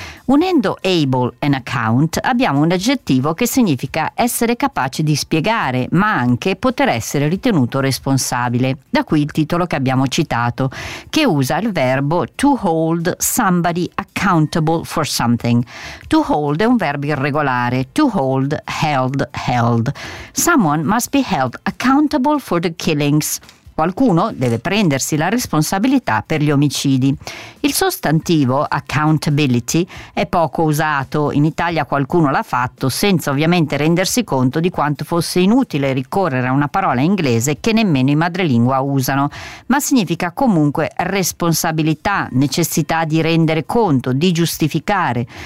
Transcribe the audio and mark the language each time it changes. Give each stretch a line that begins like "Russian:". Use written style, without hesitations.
Italian: Unendo able and account abbiamo un aggettivo che significa essere capace di spiegare, ma anche poter essere ritenuto responsabile. Da qui il titolo che abbiamo citato, che usa il verbo
English: to hold somebody accountable for something. To hold
Italian: è un verbo irregolare,
English: to hold, held, held. Someone must be held accountable for the killings.
Italian: Qualcuno deve prendersi la responsabilità per gli omicidi. Il sostantivo accountability è poco usato. In Italia qualcuno l'ha fatto senza ovviamente rendersi conto di quanto fosse inutile ricorrere a una parola inglese che nemmeno in madrelingua usano, ma significa comunque responsabilità, necessità di rendere conto, di giustificare.